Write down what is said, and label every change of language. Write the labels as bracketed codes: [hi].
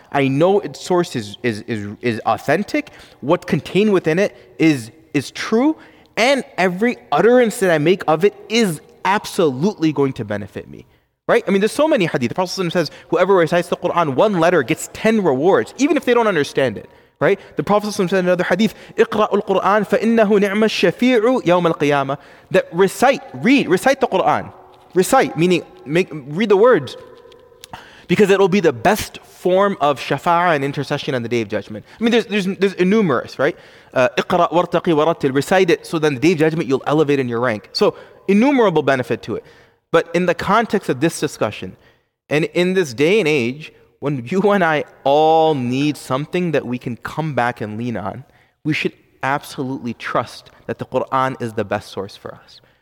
[en] I know its source is authentic. What's contained within it is true. And every utterance that I make of it is absolutely going to benefit me. Right? I mean, there's so many hadith. The Prophet says, whoever recites the Qur'an, one letter gets 10 rewards, even if they don't understand it. Right? The Prophet said in another hadith, [ar] اقرأ القرآن فإنه نعم الشفيع يوم القيامة. [en] That recite the Quran. Recite, meaning read the words, because it will be the best form of shafa'ah and intercession on the Day of Judgment. I mean, there's innumerous, right? [ar] اقرأ وارتقي ورتل, [en] recite it, so then the Day of Judgment you'll elevate in your rank. So, innumerable benefit to it. But in the context of this discussion, and in this day and age, when you and I all need something that we can come back and lean on, we should absolutely trust that the Qur'an is the best source for us.